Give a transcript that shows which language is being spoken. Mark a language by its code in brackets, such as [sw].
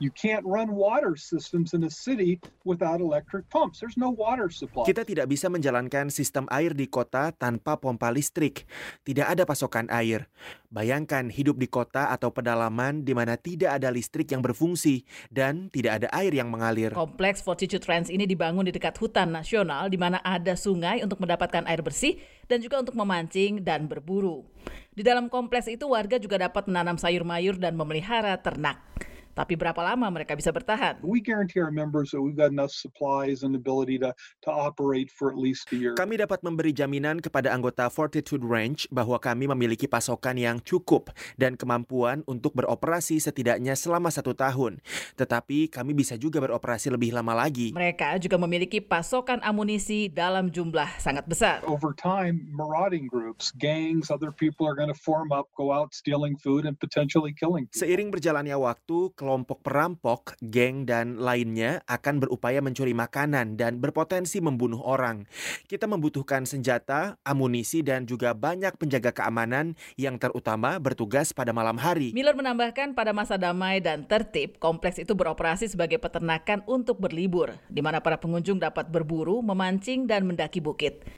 [en] You can't run water systems in a city without electric pumps. There's no water supply. [id] Kita tidak bisa menjalankan sistem air di kota tanpa pompa listrik. Tidak ada pasokan air. Bayangkan hidup di kota atau pedalaman di mana tidak ada listrik yang berfungsi dan tidak ada air yang mengalir. Kompleks 42 Ranch ini dibangun di dekat hutan nasional di mana ada sungai untuk mendapatkan air bersih dan juga untuk memancing dan berburu. Di dalam kompleks itu warga juga dapat menanam sayur-mayur dan memelihara ternak. Tapi berapa lama mereka bisa bertahan? [en] We guarantee our members that we've got enough supplies and ability to operate for at least a year. [id] Kami dapat memberi jaminan kepada anggota 42 Ranch bahwa kami memiliki pasokan yang cukup dan kemampuan untuk beroperasi setidaknya selama 1 tahun. Tetapi kami bisa juga beroperasi lebih lama lagi. Mereka juga memiliki pasokan amunisi dalam jumlah sangat besar. [en] Over time, marauding groups, gangs, other people are going to form up, go out stealing food and potentially killing people. [id] Seiring berjalannya waktu, kelompok perampok, geng, dan lainnya akan berupaya mencuri makanan dan berpotensi membunuh orang. Kita membutuhkan senjata, amunisi, dan juga banyak penjaga keamanan yang terutama bertugas pada malam hari. Miller menambahkan pada masa damai dan tertib, kompleks itu beroperasi sebagai peternakan untuk berlibur, di mana para pengunjung dapat berburu, memancing, dan mendaki bukit.